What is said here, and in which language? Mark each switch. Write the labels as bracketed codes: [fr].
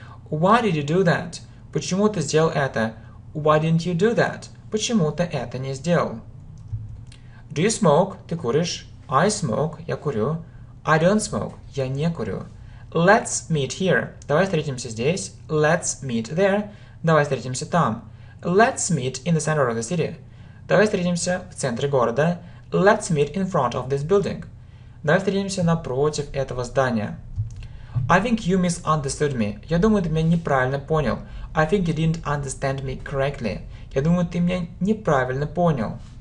[en] Why did you do that? [ru] Почему ты сделал это? [en] Why didn't you do that? [ru] Почему ты это не сделал? [en] Do you smoke? [ru] Ты куришь? [en] I smoke. [ru] Я курю. [en] I don't smoke. [ru] Я не курю. [en] Let's meet here. [ru] Давай встретимся здесь. [en] Let's meet there. [ru] Давай встретимся там. [en] Let's meet in the center of the city. [ru] Давай встретимся в центре города. [en] Let's meet in front of this building. [ru] Давай встретимся напротив этого здания. [en] I think you misunderstood me. [ru] Я думаю, ты меня неправильно понял. [en] I think you didn't understand me correctly. [ru] Я думаю, ты меня неправильно понял.